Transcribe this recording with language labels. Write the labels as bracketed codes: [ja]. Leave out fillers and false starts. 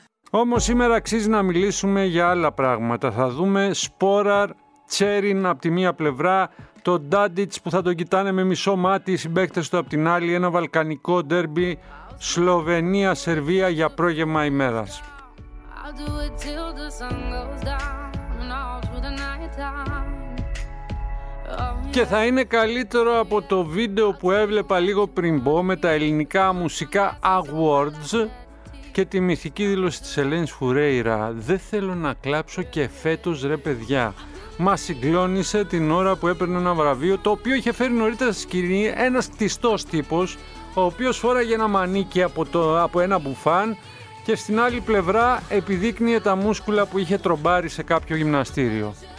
[el] Όμως σήμερα αξίζει να μιλήσουμε για άλλα πράγματα. Θα δούμε Σπόραρ, Τσέριν από τη μία πλευρά, τον Ντάντιτς που θα τον κοιτάνε με μισό μάτι οι συμπαίκτες του από την άλλη, ένα βαλκανικό ντέρμπι Σλοβενία-Σερβία για πρόγευμα ημέρας. [en] I'll do it till the sun goes down and all through the night time. [el] Και θα είναι καλύτερο από το βίντεο που έβλεπα λίγο πριν μπω με τα ελληνικά μουσικά awards και τη μυθική δήλωση της Ελένης Φουρέιρα. Δεν θέλω να κλάψω και φέτος, ρε παιδιά. Μα συγκλώνησε την ώρα που έπαιρνε ένα βραβείο το οποίο είχε φέρει νωρίτερα στη σκηνή ένας κτιστός τύπος ο οποίος φόραγε ένα μανίκι από ένα μπουφάν και στην άλλη πλευρά επιδείκνυε τα μούσκουλα που είχε τρομπάρει σε κάποιο γυμναστήριο.